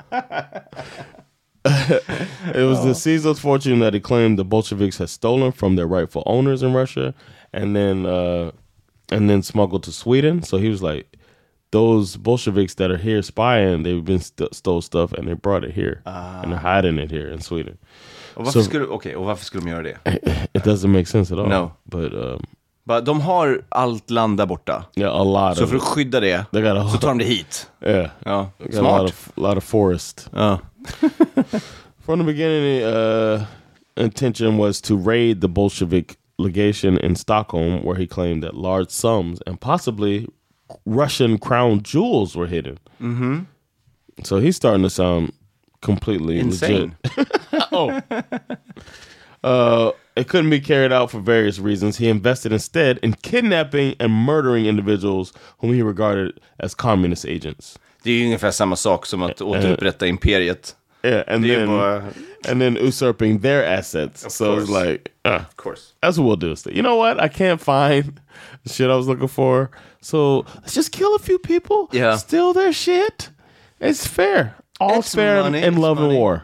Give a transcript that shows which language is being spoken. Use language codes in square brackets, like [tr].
[en] It was the Caesar's fortune that he claimed the Bolsheviks had stolen from their rightful owners in Russia. And then smuggled to Sweden. So he was like, those Bolsheviks that are here spying, they've been stole stuff and they brought it here. And they're hiding it here in Sweden. [sv] Och varför skulle de göra det? [en] It doesn't make sense at all. No. But But [sv] de har allt land där borta. [en] Yeah, a lot. [sv] Så för att skydda det, så tar de det hit. [en] Yeah. [sv] Ja, smart. [en] A lot of forest. [sv] Ja. [en] From the beginning, intention was to raid the Bolshevik legation in Stockholm, where he claimed that large sums and possibly Russian crown jewels were hidden. Mm-hmm. So he's starting to sound completely insane. Legit. It couldn't be carried out for various reasons. He invested instead in kidnapping and murdering individuals whom he regarded as communist agents. [sv] Det är ju ungefär samma sak som att återupprätta imperiet. [en] And then usurping their assets. Of course. That's what we'll do. You know what? I can't find the shit I was looking for. So let's just kill a few people. Yeah. Steal their shit. It's fair. All it's fair money, in love money. And war.